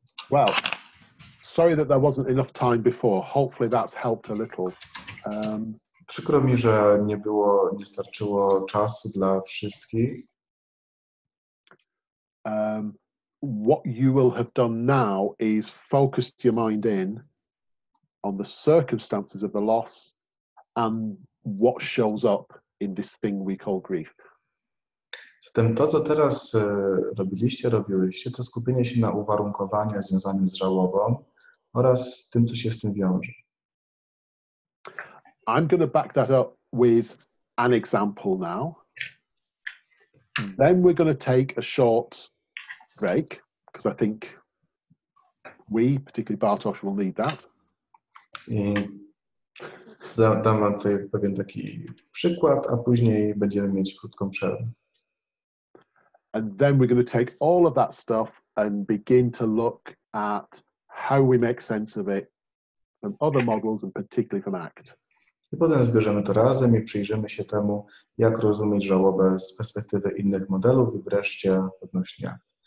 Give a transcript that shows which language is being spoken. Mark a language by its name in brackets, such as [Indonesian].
[English] Well, sorry that there wasn't enough time before. Hopefully that's helped a little. [Polish] Przykro mi, że nie było, nie starczyło czasu dla wszystkich. [English] What you will have done now is focused your mind in on the circumstances of the loss and what shows up in this thing we call grief. [Polish] Zatem to, co teraz robiliście, to skupienie się na uwarunkowaniach związanych z żałobą oraz tym, co się z tym wiąże. [English] I'm going to back that up with an example now. Then we're going to take a short break, because I think we, particularly Bartosz, will need that. [Polish] I dam wam tutaj pewien taki przykład, a później będziemy mieć krótką przerwę. [English] And then we're going to take all of that stuff and begin to look at how we make sense of it from other models and particularly from ACT. [Polish] I potem zbierzemy to razem i przyjrzymy się temu, jak rozumieć żałobę z perspektywy innych modelów i wreszcie odnośnie.